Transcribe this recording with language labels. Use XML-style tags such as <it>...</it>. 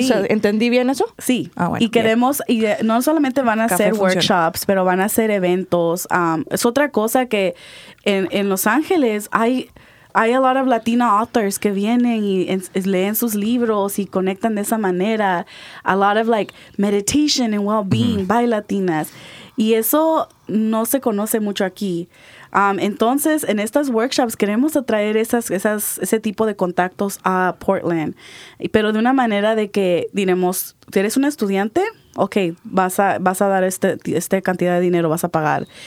<es>O sea, ¿entendí bien eso? Sí. Ah, bueno. Y queremos, yeah. y no solamente van a hacer workshops, pero van a hacer eventos. Es otra cosa que en Los Ángeles hay</es> <en>a lot of Latina authors</en> <es>que vienen y leen sus libros y conectan de esa manera.</es> <en>A lot of, like, meditation and well-being mm-hmm. by Latinas.</en> <es>Y eso no se conoce mucho aquí. Entonces, en estas workshops queremos atraer ese tipo de contactos a Portland. Pero de una manera de que, diremos, ¿eres un estudiante? okay, vas a dar este cantidad de dinero, vas a pagar.</es>